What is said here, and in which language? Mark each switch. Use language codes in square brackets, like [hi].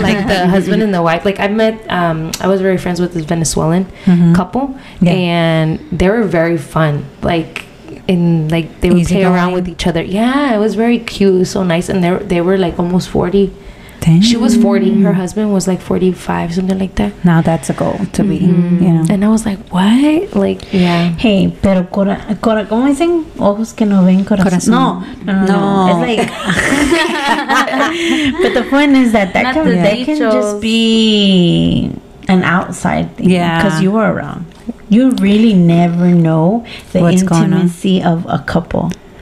[en] Like, the husband and the wife. Like, I was very friends with this Venezuelan couple, and they were very fun. Like, they would play around with each other. Yeah, it was very cute. It was so nice. And they were, like, almost 40. Dang. She was 40. Her husband was, like, 45, something like that. Now that's a goal to be, And I was like, what? Like, yeah. [es] Hey, pero cora, ¿cómo dicen? Ojos que no ven corazón. No. [en] It's like... But the point is that can just be an outside thing. Yeah. Because you were around. You really never know the intimacy of a couple.